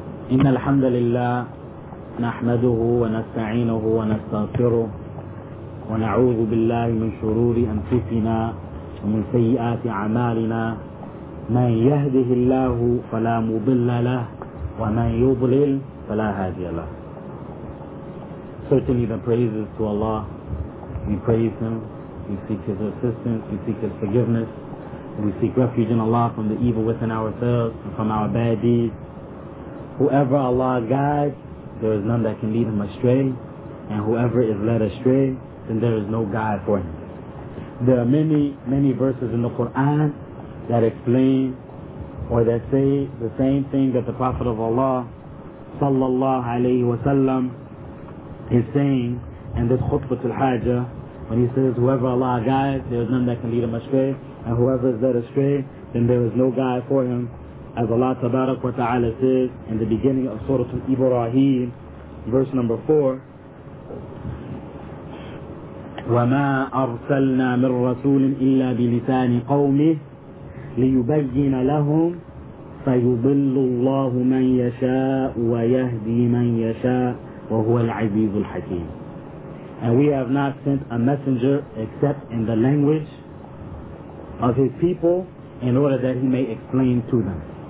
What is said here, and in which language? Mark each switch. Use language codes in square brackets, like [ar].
[ar] إن الحمد لله نحمده ونستعينه ونستغفره ونعوذ بالله من شرور أنفسنا ومن سيئات أعمالنا من يهده الله فلا مضل له ومن يضلل فلا هادي له. [en] Certainly the praises to Allah. We praise Him. We seek His assistance. We seek His forgiveness. And we seek refuge in Allah from the evil within ourselves and from our bad deeds. Whoever Allah guides, there is none that can lead him astray. And whoever is led astray, then there is no guide for him. There are many, many verses in the Quran that explain or that say the same thing that the Prophet of Allah, sallallahu alayhi wa sallam, is saying in this Khutbatul Hajjah, when he says, whoever Allah guides, there is none that can lead him astray. And whoever is led astray, then there is no guide for him. As Allah tabarak wa ta'ala says in the beginning of Surah Ibrahim, verse number 4, [ar] وَمَا أَرْسَلْنَا مِنْ رَسُولٍ إِلَّا بِلِسَانِ قَوْمِهِ لِيُبَيِّنَ لَهُمْ فَيُضِلُّ اللَّهُ مَنْ يَشَاءُ وَيَهْدِي مَنْ يَشَاءُ وَهُوَ الْعَزِيزُ الْحَكِيمُ. [en] And we have not sent a messenger except in the language of his people in order that he may explain to them.